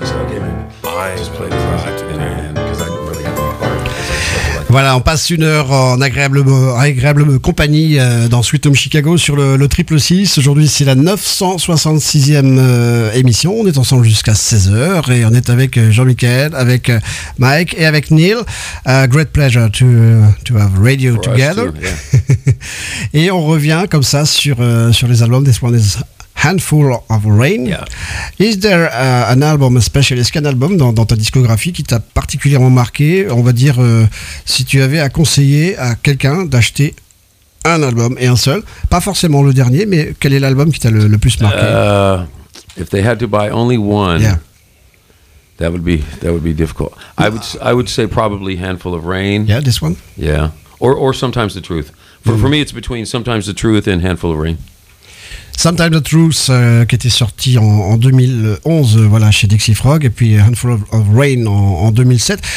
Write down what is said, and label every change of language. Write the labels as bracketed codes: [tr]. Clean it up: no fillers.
[en] I said, okay, man, I just play the part because I didn't really have any part. [fr] Voilà, on passe une heure en agréable compagnie dans Sweet Home Chicago sur le 666. Aujourd'hui, c'est la 966e émission. On est ensemble jusqu'à 16h et on est avec Jean-Michel, avec Mike et avec Neil. [en] Great pleasure to have radio for together. Us too, yeah. [fr] Et on revient comme ça sur les albums des Swans. [en] Handful of Rain. Yeah. Is there an album, a specialist, [fr] un album dans ta discographie qui t'a particulièrement marqué? On va dire, si tu avais à conseiller à quelqu'un d'acheter un album et un seul, pas forcément le dernier, mais quel est l'album qui t'a le plus marqué? [en] If they had to buy only one, yeah, that would be difficult. I would say probably Handful of Rain. Yeah, this one. Yeah, or Sometimes the Truth. For me, it's between Sometimes the Truth and Handful of Rain. [fr] Sometimes the Truth, qui était sorti en 2011, voilà, chez Dixie Frog, et puis Handful of Rain en 2007.